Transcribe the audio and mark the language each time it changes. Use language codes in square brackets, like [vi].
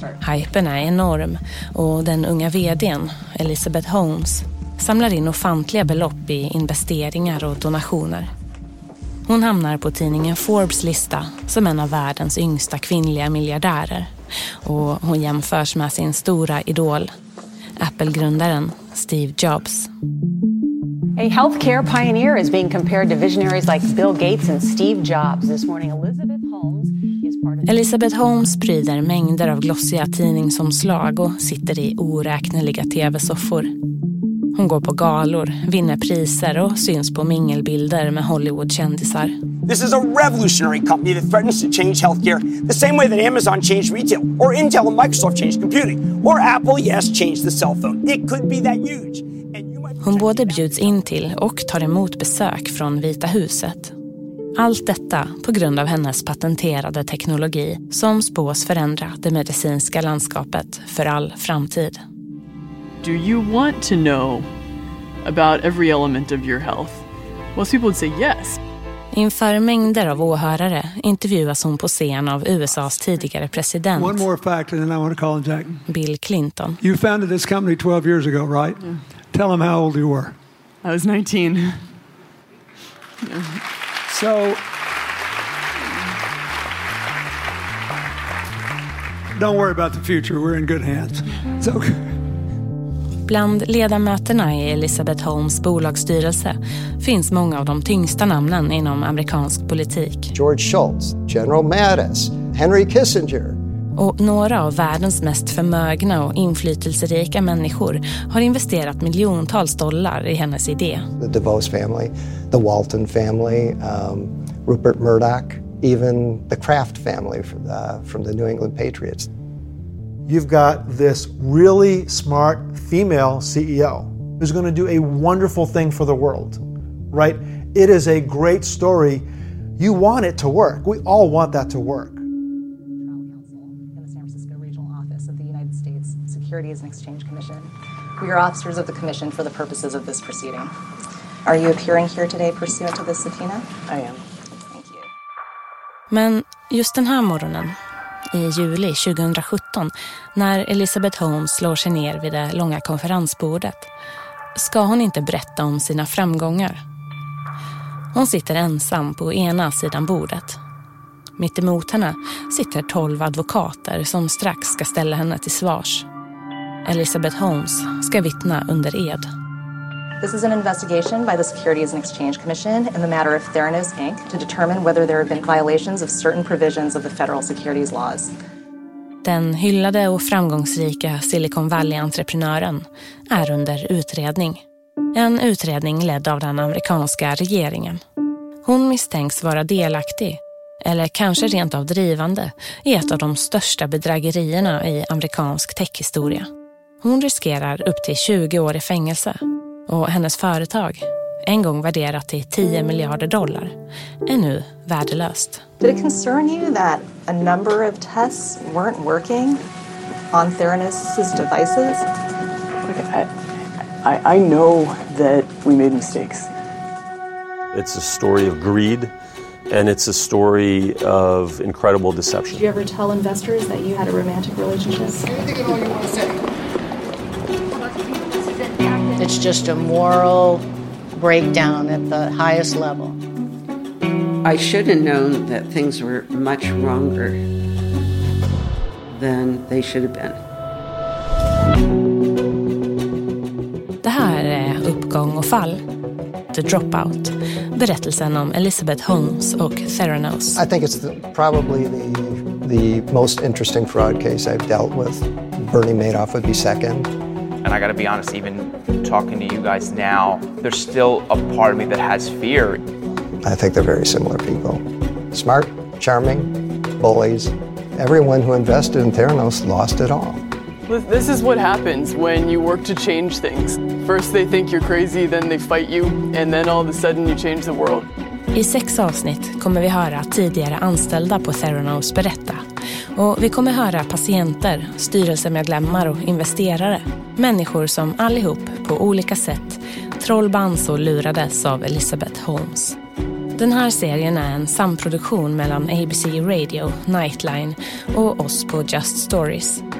[sv] Hypen är enorm och den unga vdn, Elizabeth Holmes, samlar in ofantliga belopp i investeringar och donationer. Hon hamnar på tidningen Forbes lista som en av världens yngsta kvinnliga miljardärer. Och hon jämförs med sin stora idol, Apple-grundaren Steve Jobs. [en] A healthcare pioneer is being compared to visionaries like Bill Gates and Steve Jobs. This morning Elizabeth Holmes is part of [sv] Elizabeth Holmes sprider mängder av glossiga tidningsomslag och sitter i oräkneliga TV-soffor. Hon går på galor, vinner priser och syns på mingelbilder med Hollywood-kändisar. [en] This is a revolutionary company that threatens to change healthcare the same way that Amazon changed retail or Intel and Microsoft changed computing or Apple, yes, changed the cell phone. It could be that huge. [sv] Hon både bjuds in till och tar emot besök från Vita huset. Allt detta på grund av hennes patenterade teknologi som spås förändra det medicinska landskapet för all framtid. [en] Do you want to know about every element of your health? Most people would say yes. [sv] Inför mängder av åhörare intervjuas hon på scen av USA:s tidigare president. [en] One more fact and then I want to call him Jack. Bill Clinton. You founded this company 12 years ago, right? Yeah. Tell him how old you were. I was 19. So don't worry about the future. We're in good hands. So [sv] bland ledamöterna i Elizabeth Holmes bolagsstyrelse finns många av de tyngsta namnen inom amerikansk politik. George Shultz, General Mattis, Henry Kissinger. Och några av världens mest förmögna och inflytelserika människor har investerat miljontals dollar i hennes idé. [en] The DeVos family, the Walton family, Rupert Murdoch, even the Kraft family from the New England Patriots. You've got this really smart female CEO who's going to do a wonderful thing for the world, right? It is a great story. You want it to work. We all want that to work. In the San Francisco Regional Office of the United States Securities and Exchange Commission. We are officers of the commission for the purposes of this proceeding. Are you appearing here today pursuant to the subpoena? I am. Thank you. [sv] Men just den här morgonen, i juli 2017, när Elizabeth Holmes slår sig ner vid det långa konferensbordet, ska hon inte berätta om sina framgångar. Hon sitter ensam på ena sidan bordet. Mitt emot henne sitter 12 advokater som strax ska ställa henne till svars. Elizabeth Holmes ska vittna under ed. [en] This is an investigation by the Securities and Exchange Commission in the matter of Theranos, Inc. to determine whether there have been violations of certain provisions of the federal securities laws. [sv] Den hyllade och framgångsrika Silicon Valley-entreprenören är under utredning. En utredning ledd av den amerikanska regeringen. Hon misstänks vara delaktig, eller kanske rent av drivande, i ett av de största bedrägerierna i amerikansk techhistoria. Hon riskerar upp till 20 år i fängelse. Och hennes företag, en gång värderat till 10 miljarder dollar, är nu värdelöst. [en] Did it concern you that a number of tests weren't working on Theranos' devices? I know that we made mistakes. It's a story of greed and it's a story of incredible deception. Did you ever tell investors that you had a romantic relationship? It's just a moral breakdown at the highest level. I should have known that things were much wronger than they should have been. [sv] Det här är Uppgång och fall. The Dropout. Berättelsen om Elizabeth Holmes och Theranos. [en] I think it's probably the most interesting fraud case I've dealt with. Bernie Madoff would be second. And I got to be honest, even talking to you guys now, there's still a part of me that has fear. I think they're very similar people. Smart, charming, bullies. Everyone who invested in Theranos lost it all. This is what happens when you work to change things. First they think you're crazy, then they fight you, and then all of a sudden you change the world. [sv] I 6 avsnitt kommer vi höra tidigare anställda på Theranos berätta. Och vi kommer höra patienter, styrelsemedlemmar och investerare. Människor som allihop på olika sätt trollbands och lurades av Elizabeth Holmes. Den här serien är en samproduktion mellan ABC Radio, Nightline och oss på Just Stories.